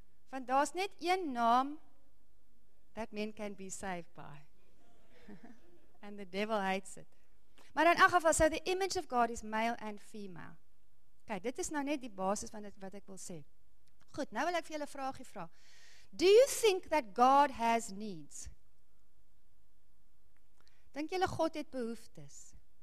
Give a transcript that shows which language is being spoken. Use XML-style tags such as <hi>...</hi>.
<af>Want daar is net een naam,</af> <en>that men can be saved by. And the devil hates it.</en> <af>Maar in elk geval,</af> <en>so the image of God is male and female.</en> <af>Kijk, dit is nou net die basis van dit, wat ek wil sê. Goed, nou wil ek vir julle vraagie vraag.</af> <en>Do you think that God has needs?</en> <af>Dink julle God het behoeftes?</af>